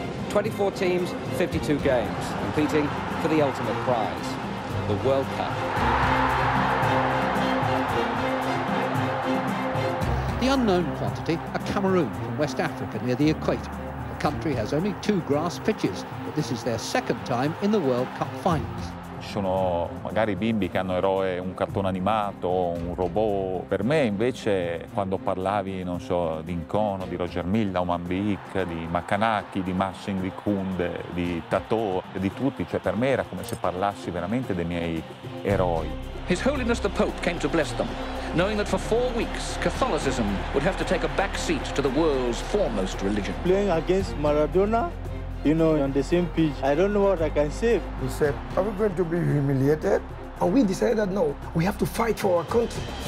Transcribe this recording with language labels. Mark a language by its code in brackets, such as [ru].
[en] 24 teams, 52 games, competing for the ultimate prize, the World Cup. The unknown quantity, a Cameroon from West Africa near the equator. The country has only two grass pitches, but this is their second time in the World Cup finals. [it] Sono magari bimbi che hanno eroe un cartone animato, un robot. Per me invece quando parlavi, non so, di Nkono, di Roger Milla, Oman Beek, di Makanaki, di Marcin, di Kunde, di Tato, di tutti, cioè per me era come se parlassi veramente dei miei eroi. [en] His Holiness the Pope came to bless them, knowing that for 4 weeks Catholicism would have to take a back seat to the world's foremost religion. Playing against Maradona, you know, on the same pitch, I don't know what I can say. He said, are we going to be humiliated? And we decided that no, we have to fight for our country.